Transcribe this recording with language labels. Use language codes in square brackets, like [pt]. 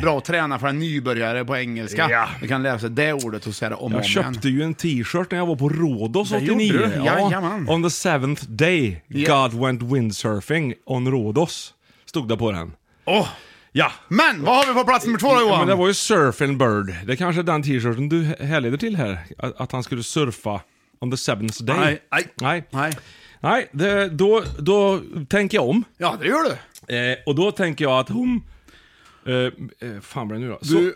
[sv] Bra att träna för en nybörjare på engelska. Du kan läsa det ordet och säga det om jag och om igen. Jag köpte ju en t-shirt när jag var på Rhodos 89. [en] On the seventh day God went windsurfing on Rhodos. [sv] Stod det på den. Åh. Ja. Men, vad har vi på plats nummer två då, Johan? Men det var ju Surfing Bird. Det kanske är den t-shirten du härleder till här. Att han skulle surfa [en] on the seventh day. [sv] Nej, nej. Nej, nej. Nej, det, då tänker jag om. Ja, det gör du. Och då tänker jag att hon... fan vad är det nu då? Du...